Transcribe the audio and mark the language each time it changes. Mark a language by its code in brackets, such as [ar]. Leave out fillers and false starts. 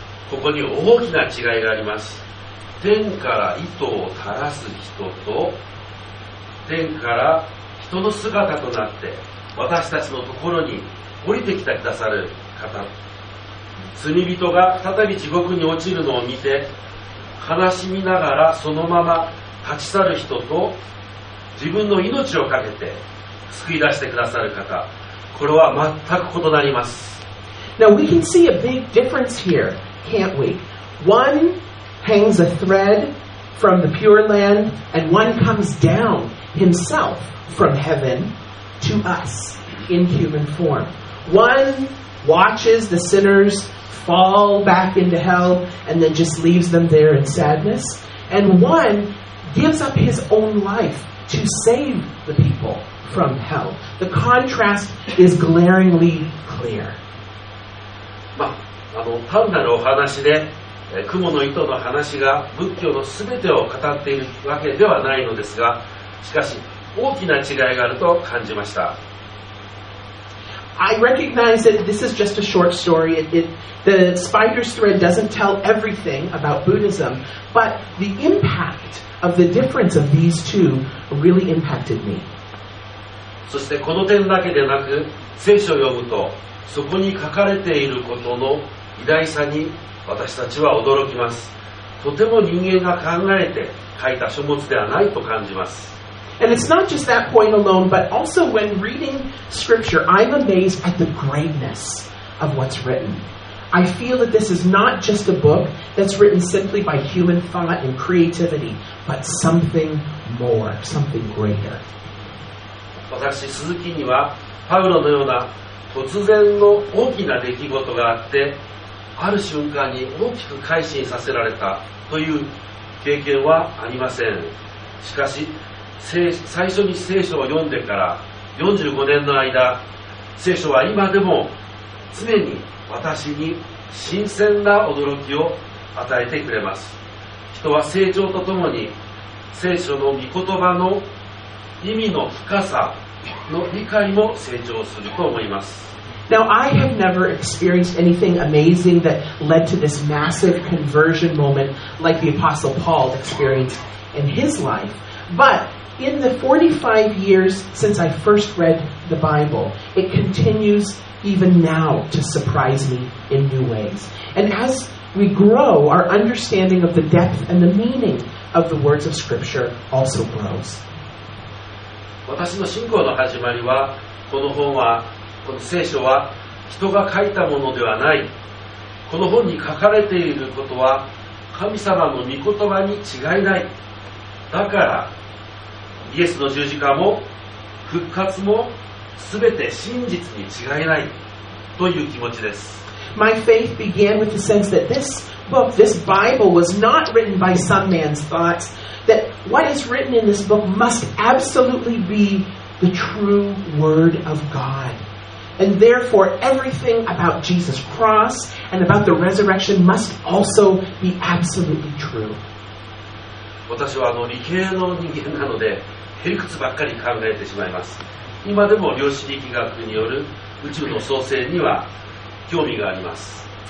[ja] ここに大きな違いがあります。天から糸を垂らす人と天から人の姿となって私たちのところに降りてきてくださる方、罪人が再び地獄に落ちるのを見て悲しみながらそのまま立ち去る人と自分の命をかけて救い出してくださる方、これは全く異なります。 [en] Now we can see a big difference here, can't we? One hangs a thread from the pure land, and one comes down himself from heaven to us in human form. One watches the sinners fall back into hell and then just leaves them there in sadness. And one gives up his own life to save the people from hell. The contrast is glaringly clear. [ja] あの単なるお話で雲の糸の話が仏教の全てを語っているわけではないのですが、しかし大きな違いがあると感じました。 [en] I recognize that this is just a short story. The spider's thread doesn't tell everything about Buddhism, but the impact of the difference of these two really impacted me. [ja] そしてこの点だけでなく、聖書を読むとそこに書かれていることの偉大さに私たちは驚きます。とても人間が考えて書いた書物ではないと感じます。 [en] And it's not just that point alone, but also when reading scripture, I'm amazed at the greatness of what's written. I feel that this is not just a book that's written simply by human thought and creativity, but something more, something greater. [ja] 私、鈴木にはパウロのような突然の大きな出来事があって、ある瞬間に大きく改心させられたという経験はありません。しかし、最初に聖書を読んでから45年の間、聖書は今でも常に私に新鮮な驚きを与えてくれます。人は成長とともに聖書の御言葉の意味の深さの理解も成長すると思います。 [en] Now, I have never experienced anything amazing that led to this massive conversion moment like the Apostle Paul experienced in his life. But in the 45 years since I first read the Bible, it continues even now to surprise me in new ways. And as we grow, our understanding of the depth and the meaning of the words of Scripture also grows. [ja] 私の信仰の始まりは、この本は、この聖書は人が書いたものではない、この本に書かれていることは神様の御言葉に違いない、だからイエスの十字架も復活も全て真実に違いないという気持ちです。 [en] My faith began with the sense that this book, this Bible was not written by some man's thoughts, that what is written in this book must absolutely be the true word of God. And therefore, everything about Jesus' cross and about the resurrection must also be absolutely true. [ja] 私は理系の人間なので、偏屈ばっかり考えてしまいます。今でも量子力学による宇宙の創生には興味があります。